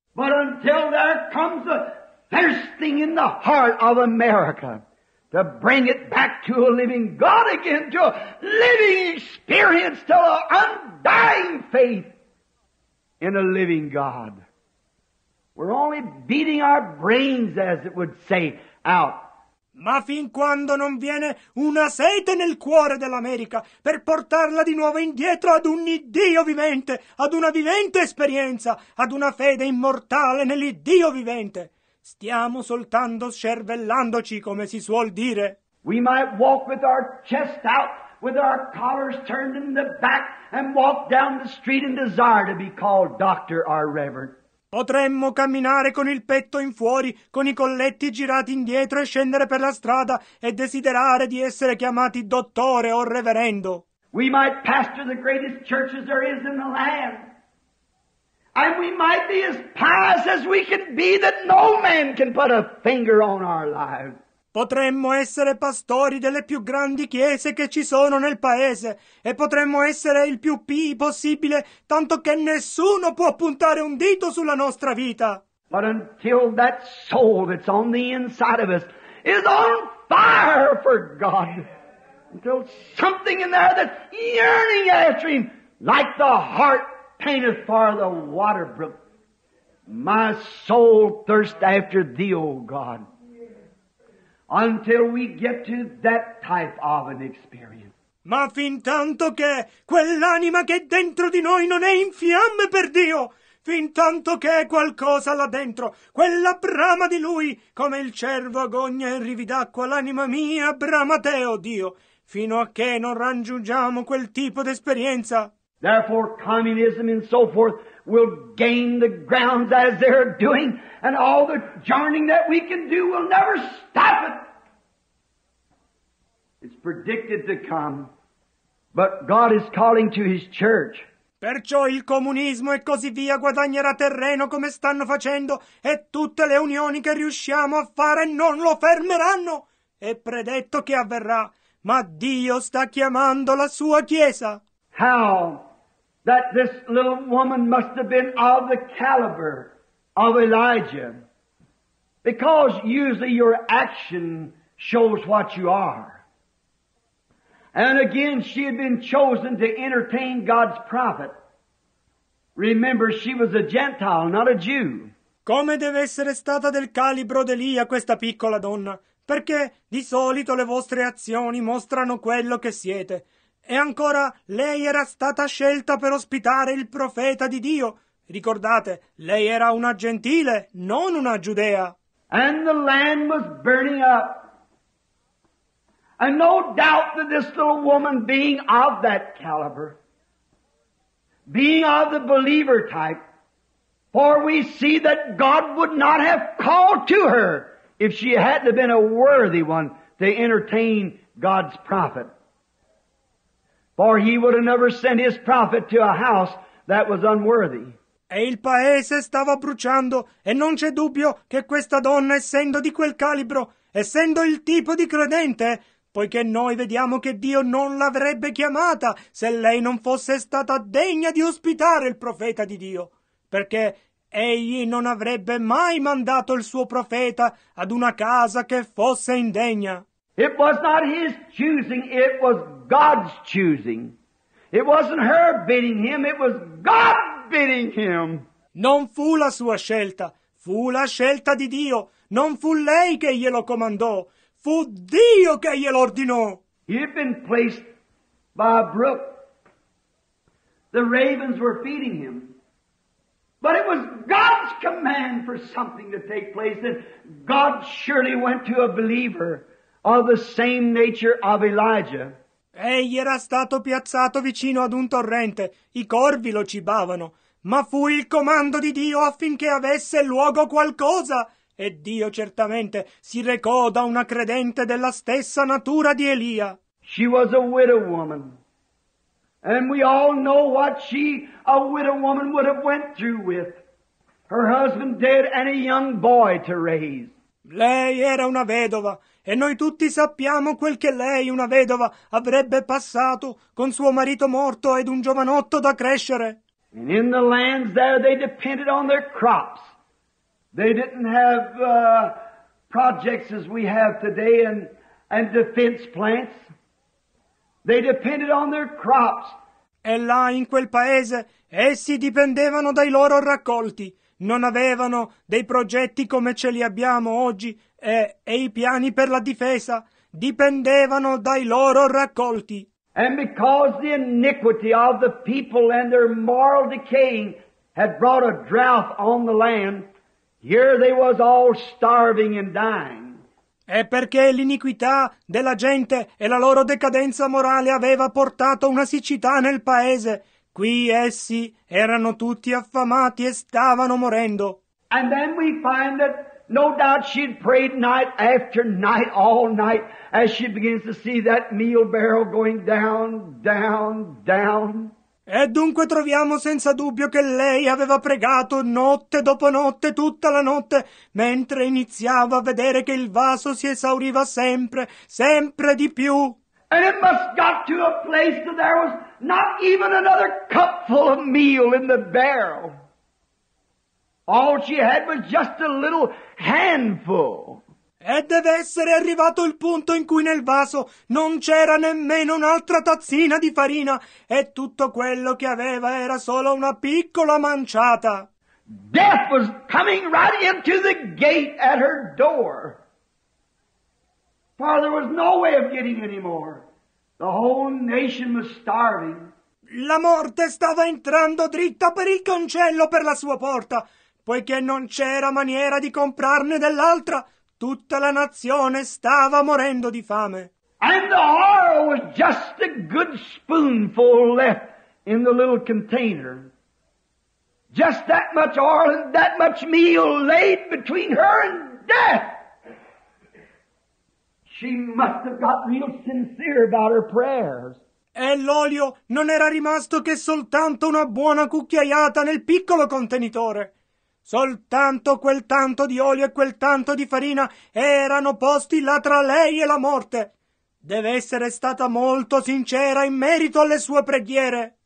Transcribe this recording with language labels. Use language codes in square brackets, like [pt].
[en] But until there comes a thirsting in the heart of America to bring it back to a living God again, to a living experience, to an undying faith in a living God. We're only beating our brains, as it would say, out. [it] Ma fin quando non viene una sete nel cuore dell'America per portarla di nuovo indietro ad un Iddio vivente, ad una vivente esperienza, ad una fede immortale nell'Iddio vivente, stiamo soltanto scervellandoci, come si suol dire. [en] We might walk with our chest out, with our collars turned in the back, and walk down the street and desire to be called Doctor or Reverend. [it] Potremmo camminare con il petto in fuori, con i colletti girati indietro e scendere per la strada e desiderare di essere chiamati dottore o reverendo. [en] We might pastor the greatest churches there is in the land. And we might be as pious as we can be that no man can put a finger on our lives. [it] Potremmo essere pastori delle più grandi chiese che ci sono nel paese e potremmo essere il più pii possibile, tanto che nessuno può puntare un dito sulla nostra vita. [en] But until that soul that's on the inside of us is on fire for God, until something in there that's yearning after Him, like the heart panteth for the water brook, my soul thirst after Thee, O God. Until we get to that type of an experience. [it] Ma fin tanto che quell'anima che dentro di noi non è in fiamme per Dio, fin tanto che è qualcosa là dentro, quella brama di Lui, come il cervo agogna in rivi d'acqua, l'anima mia brama te, oh Dio, fino a che non raggiungiamo quel tipo d'esperienza. [en] Therefore communism and so forth will gain the grounds as they're doing, and all the journeying that we can do will never stop it. It's predicted to come, but God is calling to His church. [it] Perciò il comunismo e così via guadagnerà terreno come stanno facendo, e tutte le unioni che riusciamo a fare non lo fermeranno. È predetto che avverrà, ma Dio sta chiamando la sua chiesa. [en] How? That this little woman must have been of the caliber of Elijah. Because usually your action shows what you are. And again, she had been chosen to entertain God's prophet. Remember, she was a Gentile, not a Jew. [it] Come deve essere stata del calibro d'Elia questa piccola donna? Perché di solito le vostre azioni mostrano quello che siete. E ancora, lei era stata scelta per ospitare il profeta di Dio, Ricordate, lei era una gentile, non una giudea. [en] And the land was burning up. And no doubt that this little woman, being of that caliber, being of the believer type, for we see that God would not have called to her if she hadn't been a worthy one to entertain God's prophet. For he would have never sent his prophet to a house that was unworthy. [it] E il paese stava bruciando, e non c'è dubbio che questa donna, essendo di quel calibro, essendo il tipo di credente, poiché noi vediamo che Dio non l'avrebbe chiamata se lei non fosse stata degna di ospitare il profeta di Dio, perché egli non avrebbe mai mandato il suo profeta ad una casa che fosse indegna. [en] It was not his choosing, it was God's choosing. It wasn't her bidding him, it was God bidding him. [it] Non fu la sua scelta, fu la scelta di Dio. Non fu lei che glielo comandò, fu Dio che glielo ordinò. [en] He had been placed by a brook. The ravens were feeding him. But it was God's command for something to take place, and God surely went to a believer of the same nature of Elijah. [it] Egli era stato piazzato vicino ad un torrente, i corvi lo cibavano, ma fu il comando di Dio affinché avesse luogo qualcosa, e Dio certamente si recò da una credente della stessa natura di Elia. [en] She was a widow woman, and we all know what she, a widow woman, would have went through with her husband dead and a young boy to raise. [it] Lei era una vedova, e noi tutti sappiamo quel che lei, una vedova, avrebbe passato con suo marito morto ed un giovanotto da crescere. [en] And in the lands there they depended on their crops. They didn't have projects as we have today and defense plants. They depended on their crops. [it] E là in quel paese essi dipendevano dai loro raccolti. Non avevano dei progetti come ce li abbiamo oggi e i piani per la difesa dipendevano dai loro raccolti. [en] And because the iniquity of the people and their moral decaying had brought a drought on the land, here they was all starving and dying. [it] E perché l'iniquità della gente e la loro decadenza morale aveva portato una siccità nel paese, qui essi erano tutti affamati e stavano morendo. [en] And then we find that no doubt she had prayed night after night, all night, as she begins to see that meal barrel going down, down, down. [it] E dunque troviamo senza dubbio che lei aveva pregato notte dopo notte, tutta la notte, mentre iniziava a vedere che il vaso si esauriva sempre, sempre di più. [en] And it must got to a place that there was not even another cup full of meal in the barrel. All she had was just a little handful. [it] E deve essere arrivato il punto in cui nel vaso non c'era nemmeno un'altra tazzina di farina, e tutto quello che aveva era solo una piccola manciata. [en] Death was coming right into the gate at her door. For there was no way of getting any more. The whole nation was starving. [it] La morte stava entrando dritta per il cancello per la sua porta, poiché non c'era maniera di comprarne dell'altra. Tutta la nazione stava morendo di fame. [en] And the oil was just a good spoonful left in the little container. Just that much oil and that much meal laid between her and death. She must have got real sincere about her prayers. [it] E l'olio non era rimasto che soltanto una buona cucchiaiata nel piccolo contenitore. Soltanto quel tanto di olio e quel tanto di farina erano posti là tra lei e la morte. Deve essere stata molto sincera in merito alle sue preghiere.